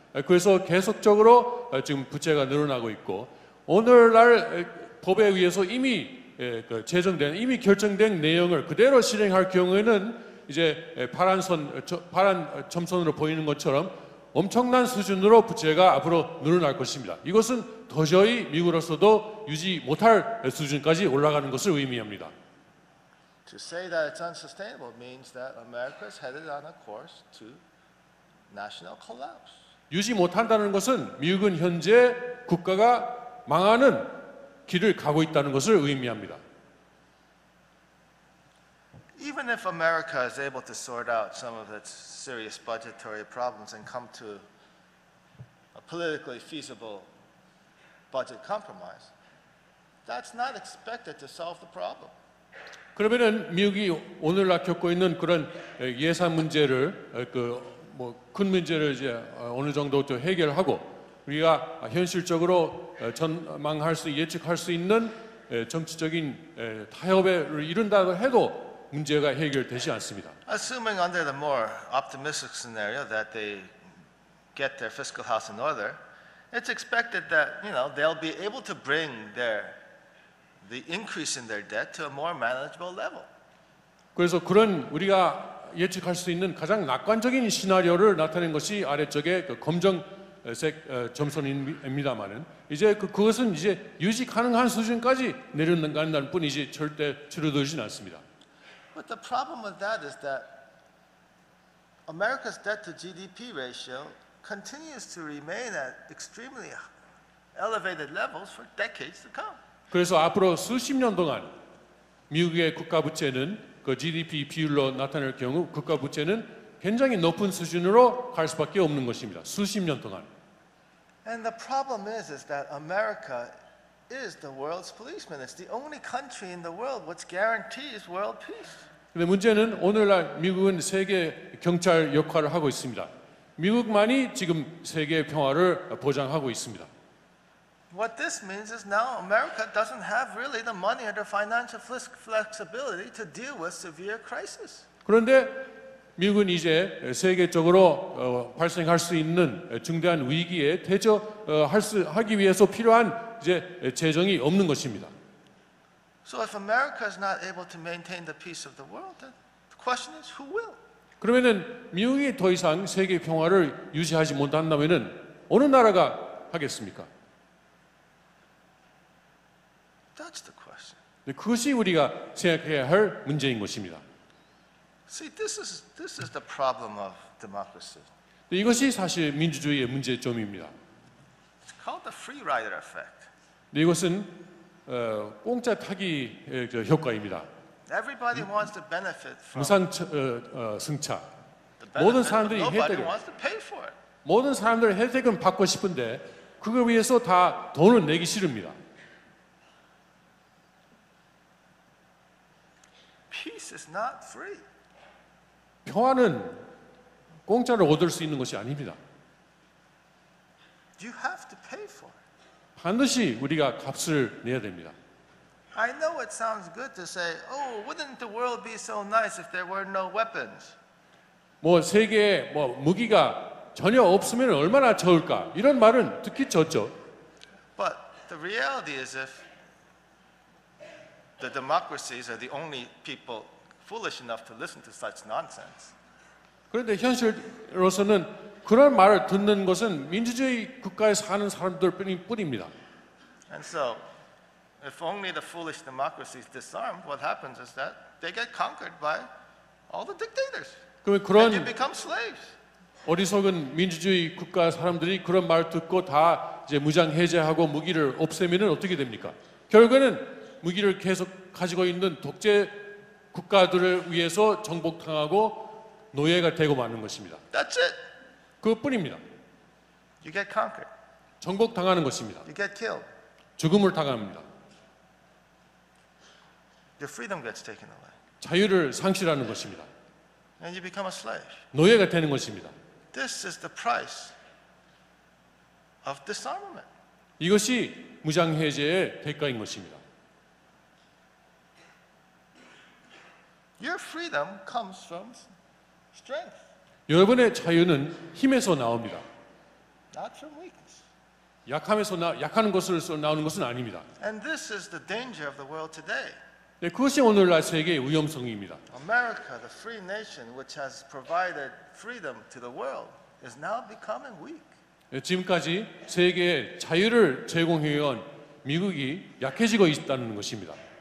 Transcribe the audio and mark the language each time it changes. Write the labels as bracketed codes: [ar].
[ko] 그래서 계속적으로 지금 부채가 늘어나고 있고 오늘날 법에 의해서 이미 제정된 이미 결정된 내용을 그대로 실행할 경우에는 이제 파란 점선으로 보이는 것처럼 엄청난 수준으로 부채가 앞으로 늘어날 것입니다. 이것은 도저히 미국으로서도 유지 못할 수준까지 올라가는 것을 의미합니다. [en] To say that it's unsustainable means that America is headed on a course to national collapse. [ko] 유지 못한다는 것은 미국은 현재 국가가 망하는 길을 가고 있다는 것을 의미합니다. [en] Even if America is able to sort out some of its serious budgetary problems and come to a politically feasible budget compromise, that's not expected to solve the problem. [ko] 그러면은 미국이 오늘날 겪고 있는 그런 예산 문제를 큰 문제를 이제 어느 정도 좀 해결하고 우리가 현실적으로 전망할 수 예측할 수 있는 정치적인 타협을 이룬다고 해도 문제가 해결되지 않습니다. [en] Assuming under the more optimistic scenario that they get their fiscal house in order, it's expected that, you know, they'll be able to bring the increase in their debt to a more manageable level. [ko] 그래서 그런 우리가 예측할 수 있는 가장 낙관적인 시나리오를 나타낸 것이 아래쪽에 그 검정색 점선입니다만은 이제 그것은 이제 유지 가능한 수준까지 내려간다는 뿐이지 절대 줄어들진 않습니다. [en] But the problem with that is that America's debt to GDP ratio continues to remain at extremely elevated levels for decades to come. [ko] 그래서 앞으로 수십 년 동안 미국의 국가 부채는 그 GDP 비율로 나타낼 경우 국가 부채는 굉장히 높은 수준으로 갈 수밖에 없는 것입니다. 수십 년 동안. [en] And the problem is that America is the world's policeman. It's the only country in the world which guarantees world peace. [ko] 근데 문제는 오늘날 미국은 세계 경찰 역할을 하고 있습니다. 미국만이 지금 세계 평화를 보장하고 있습니다. [en] What this means is now America doesn't have really the money or the financial flexibility to deal with severe crisis. [ko] 그런데 미국은 이제 세계적으로 발생할 수 있는 중대한 위기에 대처할 수 하기 위해서 필요한 이제 재정이 없는 것입니다. [en] So if America is not able to maintain the peace of the world, then the question is who will? [ko] 그러면은 미국이 더 이상 세계 평화를 유지하지 못한다면은 어느 나라가 하겠습니까? [en] That's the question. [ko] 그것이 우리가 생각해야 할 문제인 것입니다. [en] See, this is the problem of democracy. [ko] 이것이 사실 민주주의의 문제점입니다. [en] It's called the free rider effect. [ko] 이것은 공짜 타기 효과입니다. [en] Everybody wants to benefit from [ko] 무상 승차. 모든 사람들이 혜택을 [en] wants to pay for it. [ko] 모든 사람들의 혜택은 받고 싶은데 그걸 위해서 다 돈을 내기 싫습니다. [en] Peace is not free. [ko] 평화는 공짜로 얻을 수 있는 것이 아닙니다. [en] You have to pay for it. [ko] 반드시 우리가 값을 내야 됩니다. [en] I know it sounds good to say, "Oh, wouldn't the world be so nice if there were no weapons?" [ko] 뭐 세계에 뭐 무기가 전혀 없으면 얼마나 좋을까? 이런 말은 듣기 좋죠. [en] But the reality is if the democracies are the only people foolish enough to listen to such nonsense. [ko] 그런데 현실로서는 그런 말을 듣는 것은 민주주의 국가에 사는 사람들뿐입니다. [en] And so, if only the foolish democracies disarm, what happens is that they get conquered by all the dictators. [ko] 그러면 그런 [en] and you become slaves. [ko] 어리석은 민주주의 국가 사람들이 그런 말 듣고 다 이제 무장 해제하고 무기를 없애면은 어떻게 됩니까? 결국에는 무기를 계속 가지고 있는 독재 국가들을 위해서 정복당하고 노예가 되고 마는 것입니다. [en] That's it. [ko] 그것뿐입니다. [en] You get conquered. [ko] 정복당하는 것입니다. [en] You get killed. [ko] 죽음을 당합니다. [en] Your freedom gets taken away. [ko] 자유를 상실하는 것입니다. [en] And you become a slave. [ko] 노예가 되는 것입니다. [en] This is the price of disarmament. [ko] 이것이 무장 해제의 대가인 것입니다. [en] Your freedom comes from strength. [ko] 여러분의 자유는 힘에서 나옵니다. [en] Not from weakness. [ko] 약함에서 약한 것으로 나오는 것은 아닙니다. [en] And this is the danger of the world today. [ko] 네, 그것이 오늘날 세계의 위험성입니다. [en] America, the free nation which has provided freedom to the world, is now becoming weak. [ko] 네, 지금까지 세계에 자유를 제공해온 미국이 약해지고 있다는 것입니다.